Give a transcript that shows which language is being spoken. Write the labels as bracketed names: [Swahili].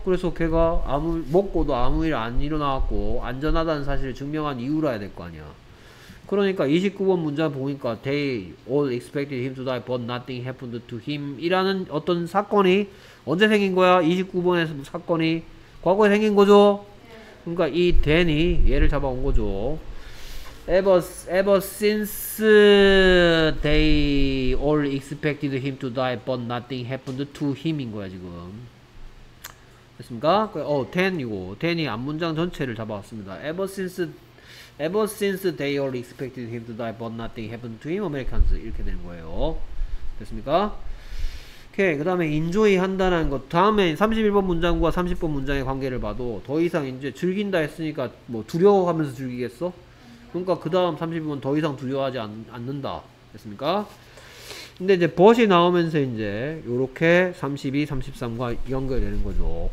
[Korean] 그래서 걔가 먹고도 아무 일 안 일어나왔고 안전하다는 사실을 증명한 이유라야 될 거 아니야. 그러니까 29번 문장 보니까 they all expected him to die but nothing happened to him 이라는 어떤 사건이 언제 생긴 거야? 29번의 사건이 과거에 생긴 거죠? 그러니까 이 Dan이 얘를 잡아온 거죠. [English] Ever since they all expected him to die but nothing happened to him 인 거야 지금. [Korean] 됐습니까? 10이고 10이 앞문장 전체를 잡아왔습니다. [English] Ever since they all expected him to die but nothing happened to him Americans 이렇게 되는 거예요. [Korean] 됐습니까? 오케이. 그 다음에 enjoy 한다는 것 다음에 31번 문장과 30번 문장의 관계를 봐도 더 이상 이제 즐긴다 했으니까 뭐 두려워하면서 즐기겠어? 그러니까 그 다음 31번 더 이상 두려워하지 않는다. 됐습니까? 근데 이제 벗이 나오면서 이제 요렇게 32, 33과 연결되는 거죠.